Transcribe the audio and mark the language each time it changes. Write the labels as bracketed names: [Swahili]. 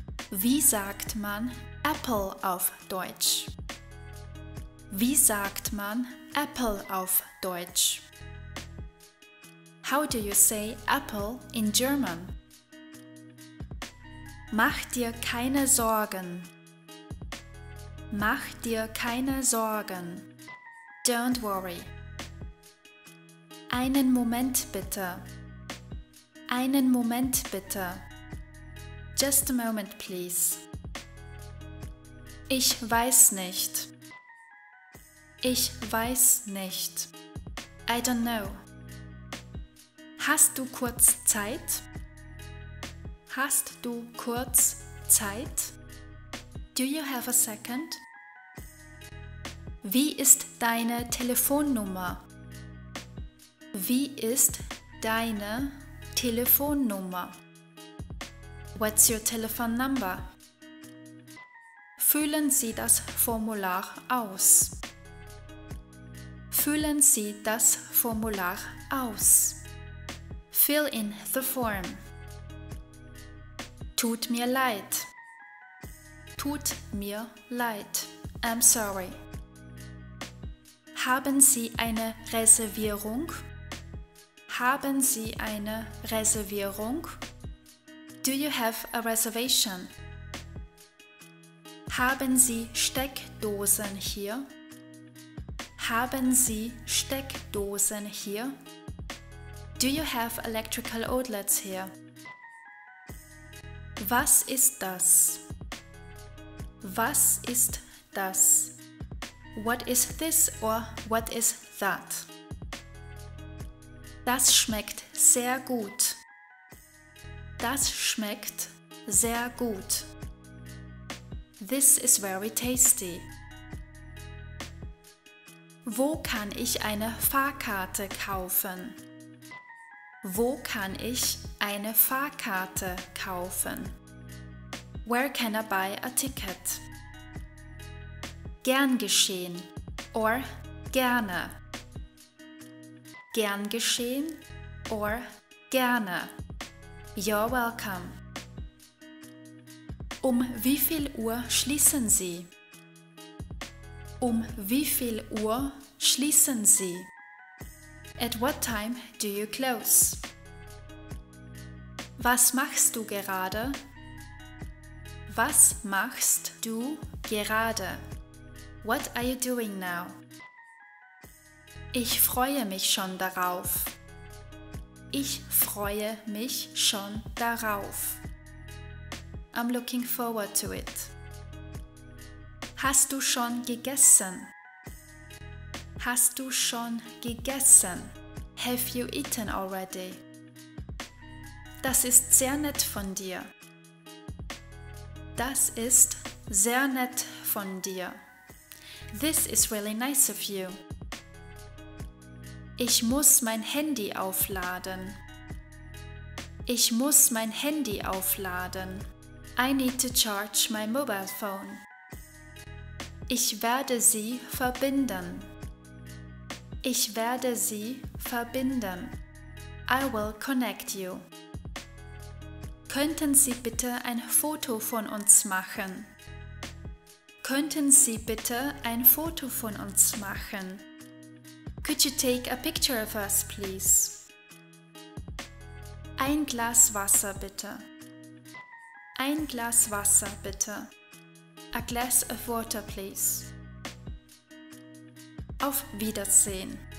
[German] Wie sagt man Apple auf Deutsch? Wie sagt man Apple auf Deutsch? [English] How do you say Apple in German? [German] Mach dir keine Sorgen. Mach dir keine Sorgen. [English] Don't worry. [German] Einen Moment bitte. Einen Moment bitte. [English] Just a moment, please. [German] Ich weiß nicht. Ich weiß nicht. [English] I don't know. [German] Hast du kurz Zeit? Hast du kurz Zeit? [English] Do you have a second? [German] Wie ist deine Telefonnummer? Wie ist deine Telefonnummer? [English] What's your telephone number? [German] Füllen Sie das Formular aus. Füllen Sie das Formular aus. [English] Fill in the form. [German] Tut mir leid. Tut mir leid. [English] I'm sorry. [German] Haben Sie eine Reservierung? Haben Sie eine Reservierung? [English] Do you have a reservation? [German] Haben Sie Steckdosen hier? Haben Sie Steckdosen hier? [English] Do you have electrical outlets here? [German] Was ist das? Was ist das? [English] What is this or what is that? [German] Das schmeckt sehr gut. Das schmeckt sehr gut. [English] This is very tasty. [German] Wo kann ich eine Fahrkarte kaufen? Wo kann ich eine Fahrkarte kaufen? [English] Where can I buy a ticket? [German] Gern geschehen or gerne. Gern geschehen or gerne. [English] You're welcome. [German] Um wie viel Uhr schließen Sie? Um wie viel Uhr schließen Sie? [English] At what time do you close? [German] Was machst du gerade? Was machst du gerade? [English] What are you doing now? [German] Ich freue mich schon darauf. Ich freue mich schon darauf. [English] I'm looking forward to it. [German] Hast du schon gegessen? Hast du schon gegessen? [English] Have you eaten already? [German] Das ist sehr nett von dir. Das ist sehr nett von dir. [English] This is really nice of you. [German] Ich muss mein Handy aufladen. Ich muss mein Handy aufladen. [English] I need to charge my mobile phone. [German] Ich werde sie verbinden. Ich werde sie verbinden. [English] I will connect you. [German] Könnten Sie bitte ein Foto von uns machen? Könnten Sie bitte ein Foto von uns machen? [English] Could you take a picture of us, please? [German] Ein Glas Wasser, bitte. Ein Glas Wasser, bitte. [English] A glass of water, please. [German] Auf Wiedersehen.